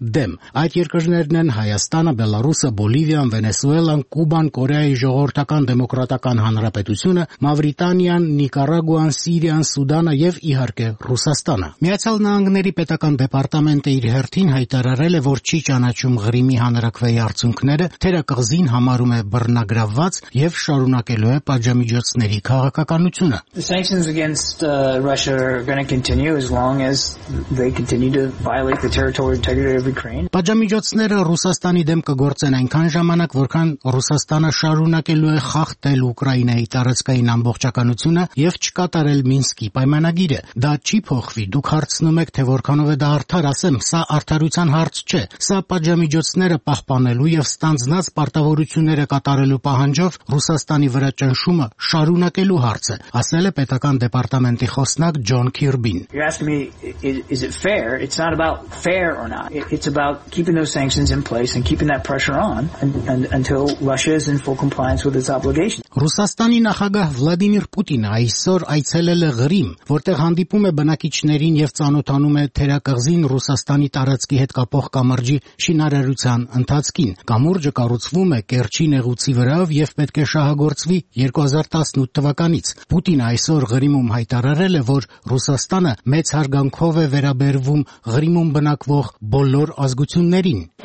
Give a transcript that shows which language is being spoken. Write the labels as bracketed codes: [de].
[hy] դեմ։ Այդ երկրներն են Հայաստանը, Բելարուսը, Բոլիվիան, Վենեսուելան, Կուբան, Կորեայի ժողովրդական դեմոկրատական հանրապետությունը, Մավրիտանիան, Նիկարագուան, Սիրիան, Սուդանը և իհարկե Ռուսաստանը։ Միացյալ Նահանգների պետական դեպարտամենտը իր հերթին հայտարարել է, որ չի ճանաչում Ղրիմի հանրաքվեի արդյունքները, թերակղզին համարում է բռնագրավված և շարունակելու է պատժամիջոցների քաղաքականությունը։ [en] The sanctions against Russia are going to continue as long as they continue to violate the territorial integrity of Ukraine. [hy] Պատժամիջոցները Ռուսաստանի դեմ կգործեն այնքան ժամանակ, որքան Ռուսաստանը շարունակելու է խախտել Ուկրաինայի տարածքային ամբողջականությունը և չկատարել Մինսկի պայմանագիրը։ Դա չի փոխվի։ Դուք հարցնում եք, թե որքանով է դա արդար, ասեմ, սա արդարության հարց չէ, սա պատժամիջոցները պահպանելու և ստանձնած պարտավորությունները կատարելու պահանջով Ռուսաստանի վրա ճնշումը շարունակելու հարց է, ասել է պետական դեպարտամենտի խոսնակ Ջոն Քիրբին։ [en] You ask me, is it fair? It's not about fair or not. It's about keeping those sanctions in place and keeping that pressure on until Russia is in full compliance with its obligation. [hy] Ռուսաստանի նախագահ Վլադիմիր Պուտինը այսօր այցելել է Ղրիմ, որտեղ հանդիպում է բնակիչներին և ծանոթանում հանդիպում է թերակղզին Ռուսաստանի տարածքի հետ կապող կամրջի շինարարության ընթացքին։ Կամուրջը կառուցվում է Կերչի նեղուցի վրա և պետք է շահագործվի 2018 թվականից։ Պուտինը այսօր Ղրիմում հայտարարել է, որ Ռուսաստանը մեծ հարգանքով է վերաբերվում Ղրիմում բնակվող բոլոր ազգություններին։